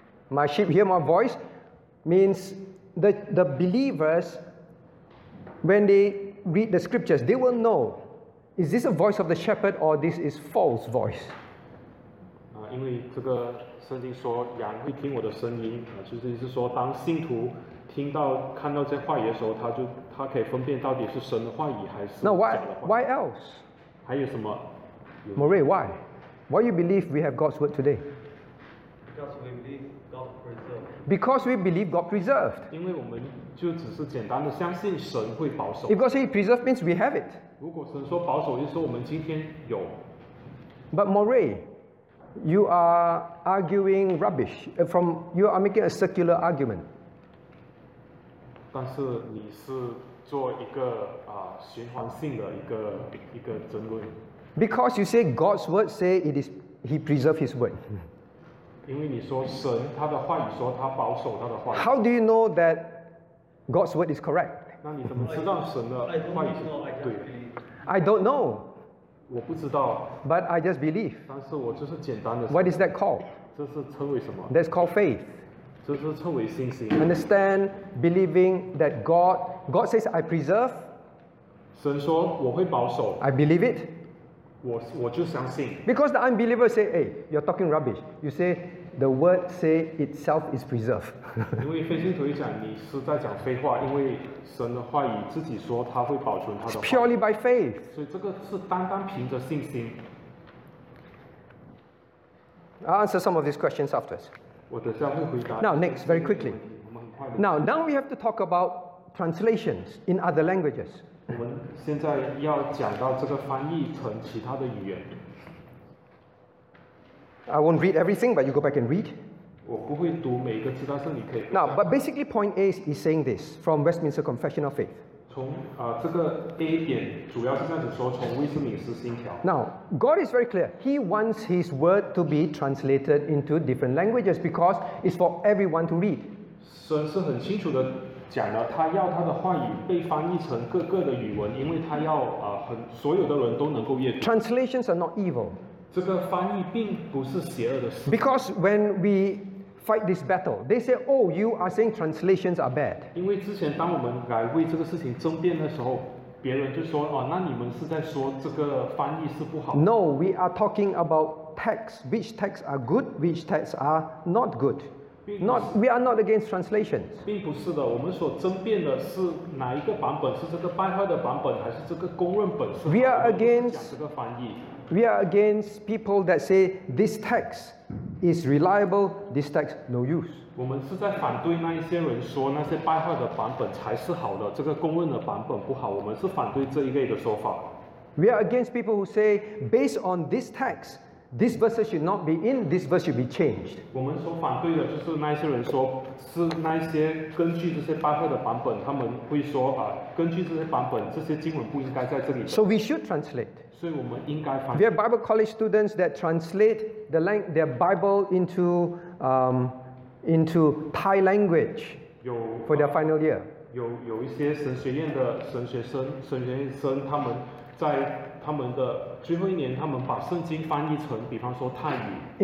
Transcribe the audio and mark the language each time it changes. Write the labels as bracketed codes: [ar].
[en] My sheep hear my voice means the believers, when they read the scriptures, they will know, is this a voice of the shepherd or this is false voice? [zh] 因为这个圣经说羊会听我的声音，就是意思说当信徒听到看到这话语的时候，他可以分辨到底是神的话语还是假的话语。 [en] Now why else? [zh] 还有什么？ [en] Murray, why? Why you believe we have God's word today? Because we believe God preserved. Because we believe God preserved. [zh] 因为我们就只是简单的相信神会保守。 [en] If God says preserved means we have it. [zh] 如果神说保守，就是说我们今天有。 [en] But Murray, you are arguing rubbish. You are making a circular argument. [zh] 但是你是做一个循环性的一个争论。 [en] Because you say God's word say it is He preserved His word. [zh] 因为你说神他的话语说他保守他的话语。 [en] How do you know that God's word is correct? [zh] 那你怎么知道神的话语是对的？ [en] I don't know. [zh] 我不知道。 [en] But I just believe. [zh] 但是我就是简单的。 [en] What is that called? [zh] 这是称为什么？ [en] That's called faith. [zh] 这是称为信心。 [en] Understand believing that God says I preserve. [zh] 神说我会保守。 [en] I believe it. [zh] 我就相信。 [en] Because the unbelievers say, "Hey, you're talking rubbish." You say, "The word say itself is preserved." [zh] 因为非信徒讲你是在讲废话，因为神的话语自己说他会保存他的话。 [en] Purely by faith. [zh] 所以这个是单单凭着信心。 [en] I'll answer some of these questions afterwards. [zh] 我等下会回答。 [en] Now, next, very quickly. Now we have to talk about translations in other languages. [zh] 我们现在要讲到这个翻译成其他的语言。 [en] I won't read everything, but you go back and read. [zh] 我不会读每一个字，但是你可以。 [en] Now, but basically point A is saying this from Westminster Confession of Faith. [zh] 从这个 A 点主要是这样子说，从威斯敏斯信条。 [en] Now, God is very clear. He wants His word to be translated into different languages because it's for everyone to read. [zh] 神是很清楚的讲了，他要他的话语被翻译成各个的语文，因为他要所有的人都能够阅读。 [en] Translations are not evil. [zh] 这个翻译并不是邪恶的事。 [en] Because when we fight this battle. They say, oh, you are saying translations are bad. [zh] 因为之前当我们来为这个事情争辩的时候，别人就说，那你们是在说这个翻译是不好。 [en] No, we are talking about texts, which texts are good, which texts are not good. Not, we are not against translations. [zh] 并不是的，我们所争辩的是哪一个版本，是这个拜坏的版本，还是这个公认本是好的。 [en] We are against, [zh] 这个翻译。 [en] We are against people that say this text is reliable, this text no use. [zh] 我们是在反对那一些人说那些败坏的版本才是好的，这个公认的版本不好。我们是反对这一类的说法。 [en] We are against people who say based on this text, this verse should not be in, this verse should be changed. [zh] 我们所反对的就是那些人说是那些根据这些败坏的版本，他们会说根据这些版本，这些经文不应该在这里。 [en] So we should translate. [zh] 所以我们应该翻译。 [en] We have Bible college students that translate their Bible into Thai language for their final year. [zh] 有一些神学院的神学院生，他们在他们的最后一年，他们把圣经翻译成，比方说泰语